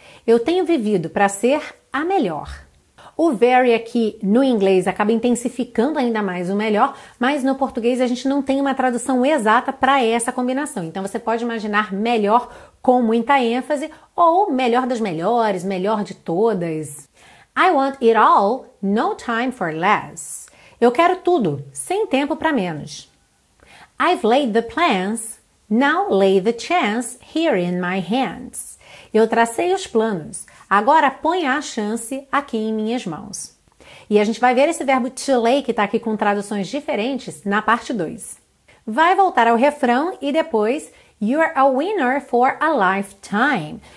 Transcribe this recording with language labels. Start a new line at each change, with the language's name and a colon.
Portuguese: Eu tenho vivido para ser a melhor. O very aqui no inglês acaba intensificando ainda mais o melhor, mas no português a gente não tem uma tradução exata para essa combinação. Então você pode imaginar melhor com muita ênfase ou melhor das melhores, melhor de todas.
English: I want it all, no time for less.
Portuguese: Eu quero tudo, sem tempo para menos.
English: I've laid the plans, now lay the chance here in my hands.
Portuguese: Eu tracei os planos, agora ponha a chance aqui em minhas mãos. E a gente vai ver esse verbo to lay, que está aqui com traduções diferentes, na parte 2. Vai voltar ao refrão e depois,
English: you're a winner for a lifetime.